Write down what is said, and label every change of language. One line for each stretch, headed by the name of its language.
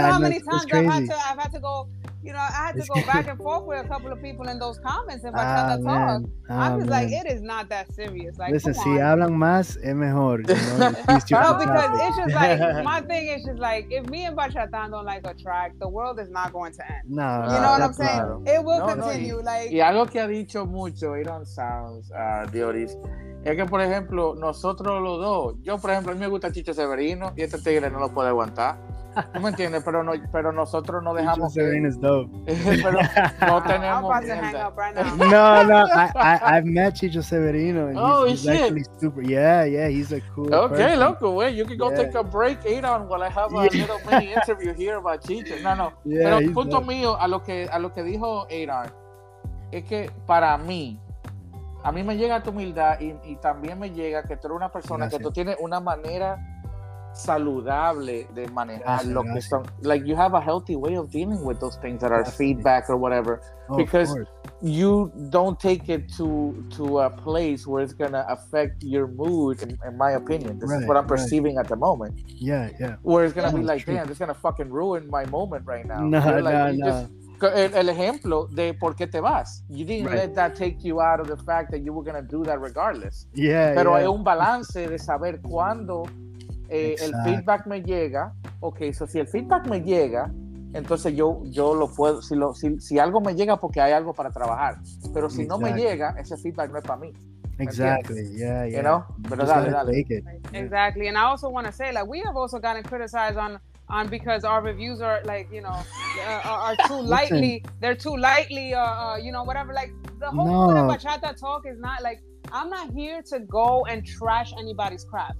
English: You know how many times I had to go back and forth with a couple of people in those comments if I tell the talk. I was like, it is not that serious. Like, listen,
Spanish: si hablan más, es mejor.
English: You know, no, because it's just like, my thing is just like, if me and Bachatan don't like a track, the world is not going to end. No. You know what I'm saying?
Spanish: Claro.
English: It will continue.
Spanish: Y algo que ha dicho mucho, AdonSounds, Dioris, es que, por ejemplo, nosotros los dos, yo, por ejemplo, a mí me gusta Chicho Severino y este tigre no lo puede aguantar. ¿Tú me entiendes? Pero nosotros no dejamos. Chicho Severino es
English: dope.
Spanish: Pero no tenemos.
English: I'm about to hang up right now. No, I've met Chicho Severino. He's super. Yeah, he's a cool. Okay, loco, wait, you can go take a break, Aidan, while I have a little mini interview here about Chicho. No. Yeah,
Spanish: pero el punto dope. Mío, a lo que dijo Aidan, es que para mí, a mí me llega tu humildad y también me llega que tú eres una persona que tú tienes una manera saludable de manejar lo que son.
English: Like, you have a healthy way of dealing with those things that are feedback or whatever. Because you don't take it to a place where it's going to affect your mood, in my opinion. This is what I'm perceiving at the moment. Yeah. Where it's going to be like, damn, this is going to fucking ruin my moment right now.
Spanish: El ejemplo de por qué te vas.
English: You didn't let that take you out of the fact that you were going to do that regardless. Yeah.
Spanish: Pero hay un balance de saber cuándo el feedback me llega.
English: Okay, so
Spanish: si el feedback me llega, entonces yo lo puedo. Si algo me llega, porque hay algo para trabajar. Pero si no me llega, ese feedback no es para mí.
English: Exactly. Yeah. You know?
Spanish: Pero dale.
English: Exactly. And I also want to say, like, we have also gotten criticized on because our reviews are like, you know, are too lightly. They're too lightly. You know, whatever. Like, the whole point of Bachata talk is not like, I'm not here to go and trash anybody's crap.